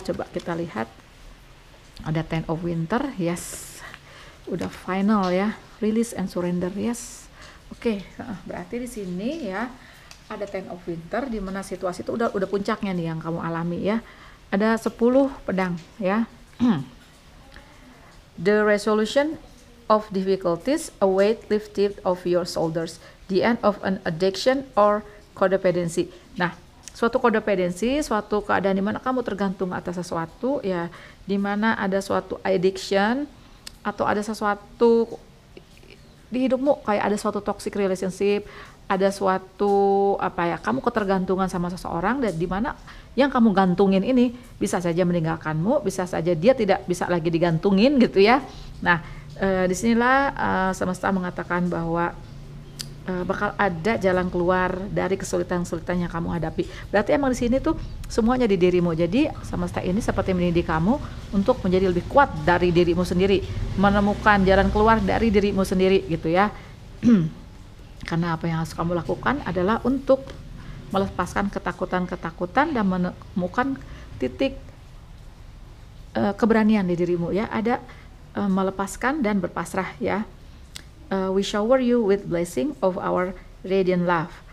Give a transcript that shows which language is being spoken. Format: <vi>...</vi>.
<id>Coba kita lihat. Ada Ten of Winter, yes. Udah final ya.</id> <en>Release and surrender, yes.</en> <id>Oke, okay. Berarti di sini ya ada Ten of Winter di mana situasi itu udah puncaknya nih yang kamu alami ya. Ada 10 pedang ya.</id> <en>The resolution of difficulties a weight lifted off your shoulders, the end of an addiction or codependency.</en> <id>Nah, suatu codependency, suatu keadaan di mana kamu tergantung atas sesuatu ya, di mana ada suatu addiction atau ada sesuatu di hidupmu kayak ada suatu toxic relationship, ada suatu apa ya, kamu ketergantungan sama seseorang dan di mana yang kamu gantungin ini bisa saja meninggalkanmu, bisa saja dia tidak bisa lagi digantungin gitu ya. Nah, disinilah semesta mengatakan bahwa bakal ada jalan keluar dari kesulitan-kesulitan yang kamu hadapi. Berarti emang di sini tuh semuanya di dirimu. Jadi semesta ini seperti mendidik kamu untuk menjadi lebih kuat dari dirimu sendiri, menemukan jalan keluar dari dirimu sendiri gitu ya. Karena apa yang harus kamu lakukan adalah untuk melepaskan ketakutan-ketakutan dan menemukan titik keberanian di dirimu ya. Ada melepaskan dan berpasrah ya.</id> <en>We shower you with blessing of our radiant love.</en>